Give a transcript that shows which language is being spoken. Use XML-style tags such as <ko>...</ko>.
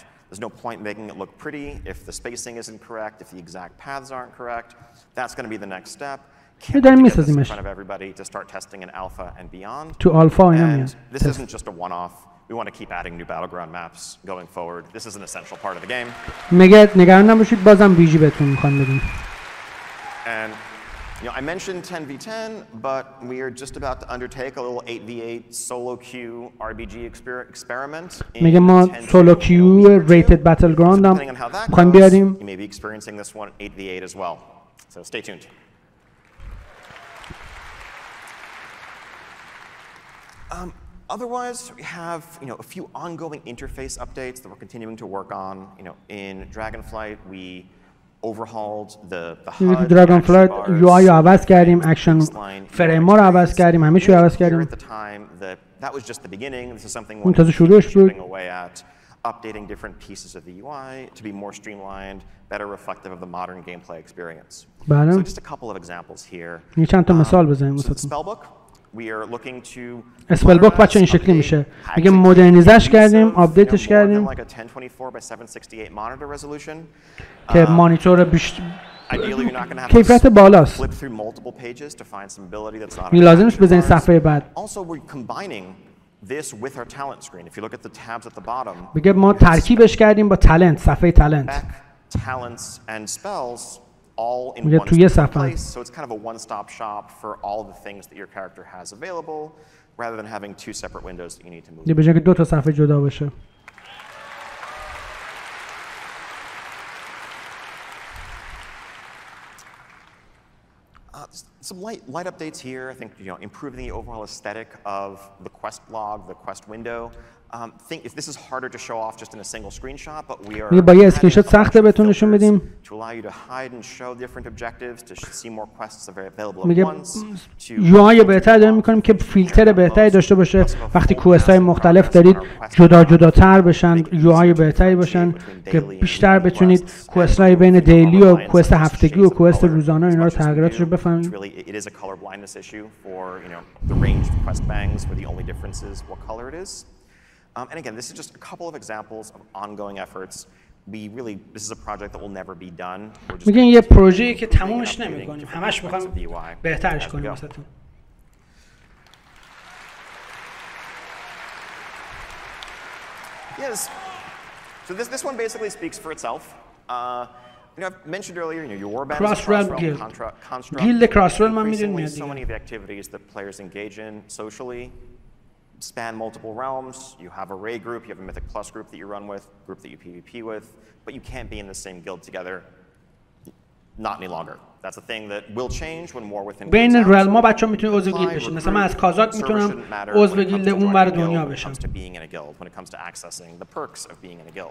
<en>There's no point making it look pretty if the spacing isn't correct, if the exact paths aren't correct. That's going to be the next step. Can't wait to get this in front of everybody to start testing in alpha and beyond. To alpha and beyond. And this isn't just a one-off. We want to keep adding new battleground maps going forward. This is an essential part of the game.</en> <fa>میگه نگران نباشید، بازم بی جی بهتون میخوام بدم.</fa> <en>And you know, I mentioned 10v10, but we are just about to undertake a little 8v8 solo queue RBG experiment.</en> <fa>میگه ما solo queue rated battleground هم میخوام بیاریم.</fa> <en>You may be experiencing this one 8v8 as well. So stay tuned. Otherwise, we have, you know, a few ongoing interface updates that we're continuing to work on. You know, in Dragonflight, we overhauled the HUD.</en> <fa>Dragonflight UI عوض کردیم، action frame ما رو عوض کردیم، همه چی رو عوض کردیم.</fa> <en>At the time that that was just the beginning. This is something we're chipping away at, updating different pieces of the UI to be more streamlined, better reflective of the modern gameplay experience.</en> <fa>بله.</fa> <en>So just a couple of examples here.</en> <fa>یه چند تا مثال بزنیم واسه تو.</fa> <en>Spellbook. We are looking to</en> <fa>Spellbook بچه این شکلی میشه. اگه مدرنیزش کردیم، آپدیتش کردیم.</fa> <en>Like a 1024 by 768 monitor resolution.</en> <fa>که مانیتور بیشتر کیفیت بالاست.</fa> <en>Flip through multiple pages to find some ability that's not.</en> <fa>می لازمش بزنید صفحه بعد.</fa> <en>Also we're combining this with our talent screen. If you look at the tabs at the bottom.</en> <fa>بگه ما ترکیبش کردیم با talent، صفحه talent.</fa> <en>Talents and spells all in one place. So it's kind of a one-stop shop for all the things that your character has available rather than having two separate windows that you need to move.</en> <fa>بگه که دو تا صفحه جدا بشه.</fa> <en>Some light updates here. I think, you know, improving the overall aesthetic of the quest log, the quest window. Think if this is harder to show off just in a single screenshot, but we are.</en> <fa>با یه اسکرین‌شات سخته بهتون نشون بدیم.</fa> <en>To allow you to hide and show different objectives, to see more quests available at once.</en> <fa>UI بهتر داریم می‌کنیم که فیلتر بهتری داشته باشه. وقتی کوئست‌های مختلف دارید، جدا جداتر بشن، UI بهتری باشن که بیشتر بتونید کوئست‌های بین دیلی و کوئست هفتگی و کوئست روزانه اینا رو تغییراتش رو بفهمید.</fa> <en>Really, it is a color blindness issue for, you know, the range of quest bangs were the only differences what color it is. And again, this is just a couple of examples of ongoing efforts. We really, this is a project that will never be done.</en> <fa>میگن یه پروژه‌ای که تمومش نمی‌کنیم. همش می‌خوام بهترش کنیم واسه‌تون.</fa> <en>Yes. So this one basically speaks for itself. You know, I've mentioned earlier, you know, your warband cross-realm guild. Guild cross-realm,</en> <fa>من می‌دونم.</fa> <en>So many of the activities that players engage in socially. Span multiple realms. You have a raid group. You have a mythic plus group that you run with, group that you PvP with, but you can't be in the same guild together. Not any longer. That's a thing that will change when more within.</en> <fa>بین رئال ما بچه‌ها میتونن عضو گیلد بشن. مثلا من از کازاک میتونم عضو گیلد اون ور دنیا بشم.</fa> <en>Being in a guild when it comes to accessing the perks of being in a guild.</en>